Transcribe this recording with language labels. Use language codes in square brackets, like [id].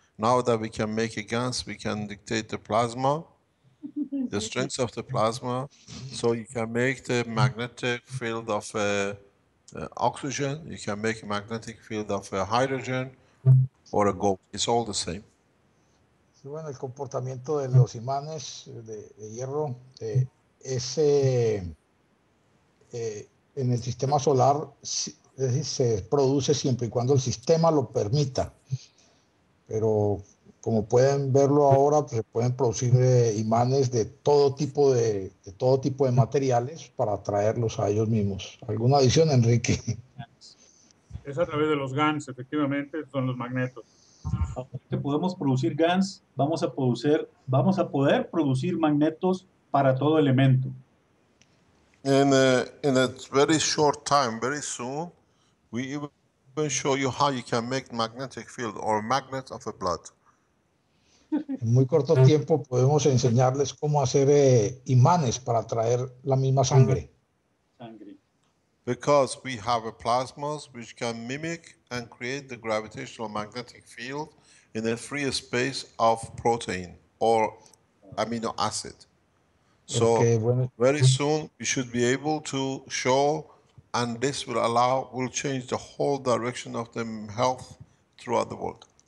[en] Now that we can make a gas, we can dictate the plasma, the strength of the plasma, so you can make the magnetic field of oxygen, you can make a magnetic field of hydrogen or a gold, it's all the same. [es] Sí, bueno, el comportamiento de los imanes de hierro, ese en el sistema solar se produce siempre y cuando el sistema lo permita, pero como pueden verlo ahora, pues se pueden producir imanes de todo tipo de todo tipo de materiales para atraerlos a ellos mismos. ¿Alguna adición, Enrique? Es a través de los GANs, efectivamente, son los magnetos. Que podemos producir GANs, vamos a poder producir magnetos para todo elemento. [en] In a very short time, very soon, we even show you how you can make magnetic field or magnet of a blood. [es] En muy corto tiempo podemos enseñarles cómo hacer imanes para atraer la misma sangre. Because we have a plasma which can mimic and create the gravitational magnetic field in a free space of protein or amino acid. So very soon we should be able to show, and this will allow, will change the whole direction of the health throughout the world.